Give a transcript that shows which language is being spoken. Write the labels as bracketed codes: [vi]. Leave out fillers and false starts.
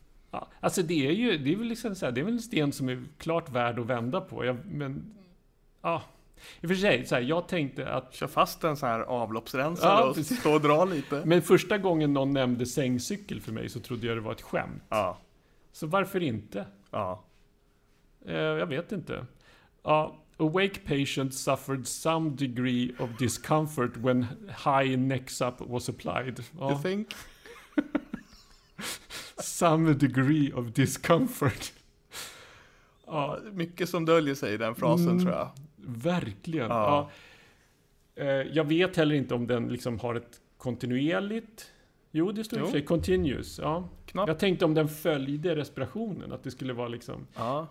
[sv] Ja, alltså det är väl liksom så här, det är väl en sten som är klart värd att vända på. I och för sig, så här, jag tänkte att... Kör fast en så här avloppsrensare och stå och dra lite. Men första gången någon nämnde sängcykel för mig, så trodde jag det var ett skämt. Ja. Så varför inte? Ja. Jag vet inte. [en] Ja, awake patient suffered some degree of discomfort when high NexApp was applied. Ja. You think? Some degree of discomfort. [sv] Ja, mycket som döljer sig i den frasen, tror jag. Verkligen. Ja. Jag vet heller inte om den liksom har ett kontinuerligt Jo, det står i sig continuous. Ja. Knapp. Jag tänkte om den följde respirationen, att det skulle vara liksom... Ja.